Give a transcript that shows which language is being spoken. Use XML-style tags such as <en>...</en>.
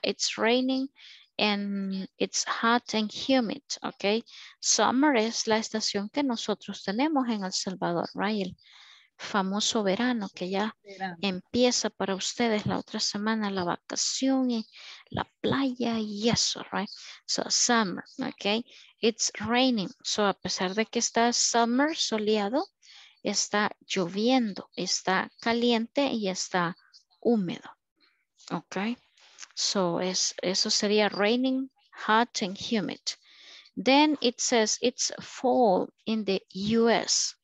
<en>It's raining and it's hot and humid, ok.</en> <es>Summer es la estación que nosotros tenemos en El Salvador, right? El famoso verano que ya verano. Empieza para ustedes la otra semana, la vacación y la playa y eso, right? So summer, ok.</es> <en>It's raining.</en> <es>So a pesar de que está summer, soleado, está lloviendo, está caliente y está húmedo, ok. So, eso sería</es> <en>raining, hot, and humid. Then it says it's fall in the U.S.</en>